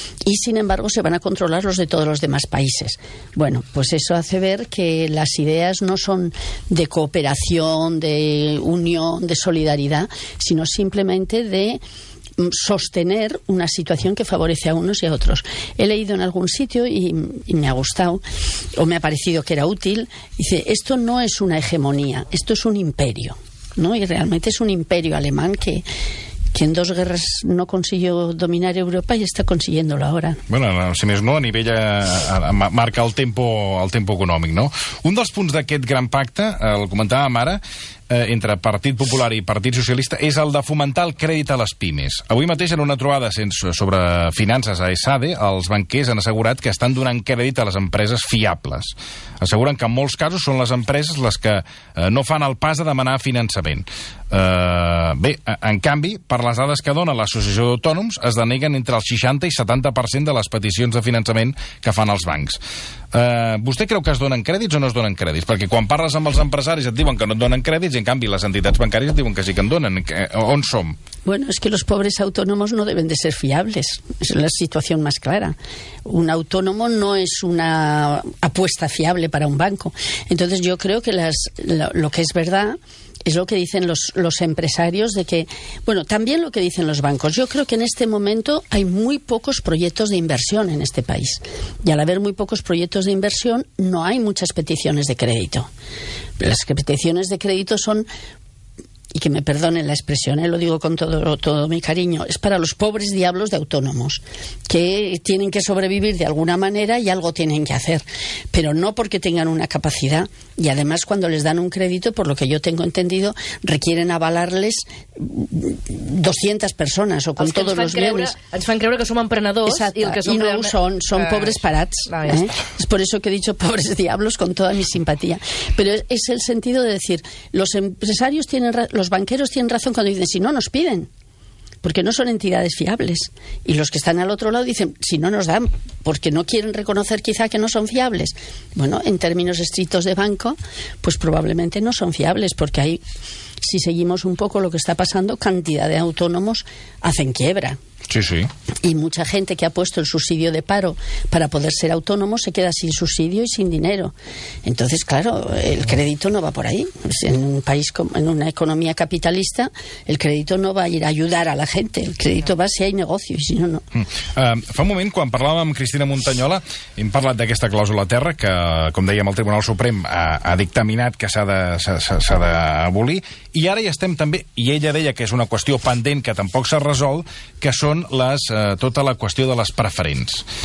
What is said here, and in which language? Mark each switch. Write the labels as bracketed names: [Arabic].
[Spanish] Y, sin embargo, se van a controlar los de todos los demás países. Bueno, pues eso hace ver que las ideas no son de cooperación, de unión, de solidaridad, sino simplemente de sostener una situación que favorece a unos y a otros. He leído en algún sitio y me ha gustado, o me ha parecido que era útil, dice, esto no es una hegemonía, esto es un imperio, ¿no? Y realmente es un imperio alemán que en dos guerras no consiguió dominar Europa y está consiguiéndolo ahora. [Catalan] Bueno, si més no, a nivell marca el tempo econòmic, no? Un dels punts d'aquest gran pacte, el comentàvem ara, entre Partit Popular i Partit Socialista, és el de fomentar el crèdit a les pimes. Avui mateix, en una trobada sobre finances a ESADE, els banquers han assegurat que estan donant crèdit a les empreses fiables. Asseguren que en molts casos són les empreses les que no fan el pas de demanar finançament. Bé, en canvi, per les dades que dona l'Associació d'Autònoms, es deneguen entre el 60 i 70% de les peticions de finançament que fan els bancs. Vostè creu que es donen crèdits o no es donen crèdits? Perquè quan parles amb els empresaris et diuen que no et donen crèdits i, en canvi, les entitats bancàries et diuen que sí que en donen. On som? [Spanish] Bueno, es que los pobres autónomos no deben de ser fiables. Es la situación más clara. Un autónomo no es una apuesta fiable para un banco. Entonces, yo creo que lo que es verdad es lo que dicen los empresarios de que, bueno, también lo que dicen los bancos. Yo creo que en este momento hay muy pocos proyectos de inversión en este país. Y al haber muy pocos proyectos de inversión, no hay muchas peticiones de crédito. Las peticiones de crédito son, y que me perdone la expresión, lo digo con todo mi cariño, es para los pobres diablos de autónomos, que tienen que sobrevivir de alguna manera y algo tienen que hacer, pero no porque tengan una capacidad, y además cuando les dan un crédito, por lo que yo tengo entendido, requieren avalarles 200 personas o con todos los bienes. [Catalan] Ens fan creure que som emprenedors. Exacte, i no ho són, són pobres parats. És per això que [Spanish] he dicho pobres diablos con toda mi simpatía. [Catalan] Però és el [Spanish] sentido de decir, los empresarios tienen razón. Los banqueros tienen razón cuando dicen, si no, nos piden, porque no son entidades fiables. Y los que están al otro lado dicen, si no, nos dan, porque no quieren reconocer quizá que no son fiables. Bueno, en términos estrictos de banco, pues probablemente no son fiables, porque hay, si seguimos un poco lo que está pasando, cantidad de autónomos hacen quiebra. Sí, sí. Y mucha gente que ha puesto el subsidio de paro para poder ser autónomo se queda sin subsidio y sin dinero. Entonces, claro, el crédito no va por ahí. En un país, en una economía capitalista, el crédito no va a ir a ayudar a la gente. El crédito va si hay negocio, y si no, no. [Catalan] Fa un moment, quan parlàvem amb Cristina Muntanyola, hem parlat d'aquesta clàusula terra, que, com dèiem, el Tribunal Suprem ha dictaminat que s'ha d'abolir, i ara hi estem també, i ella deia que és una qüestió pendent que tampoc s'ha resolt, que són les, tota la qüestió de les preferents.